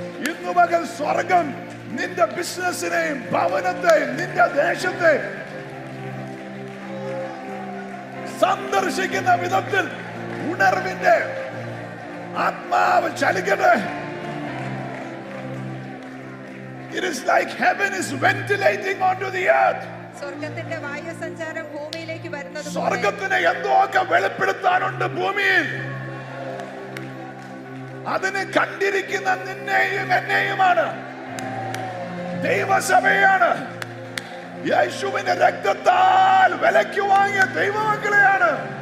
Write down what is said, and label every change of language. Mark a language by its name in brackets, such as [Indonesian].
[Malayalam] ഇന്ന് മകൻ സ്വർഗം നിന്റെ ബിസിനസിനെയും ഭവനത്തെയും നിന്റെ ദേശത്തെ സന്ദർശിക്കുന്ന വിധത്തിൽ ഉണർവിന്റെ ആത്മാവ് ചലിക്കട്ടെ. [English] It is like heaven is ventilating onto the earth. [Malayalam] സ്വർഗ്ഗത്തിന്റെ വായു സഞ്ചാരം ഭൂമിയിലേക്ക് വരുന്നത് പോലെ സ്വർഗ്ഗത്തിനെ എന്തൊക്കെ വെളിപ്പെടുത്താനുണ്ട് ഭൂമിയിൽ, അതിനെ കണ്ടിരിക്കുന്ന നിന്നെയും എന്നെയുമാണ്, ദൈവസഭയാണ്, യേശുവിന്റെ രക്തത്താൽ വിലയ്ക്ക് വാങ്ങിയ ദൈവമക്കളെയാണ്.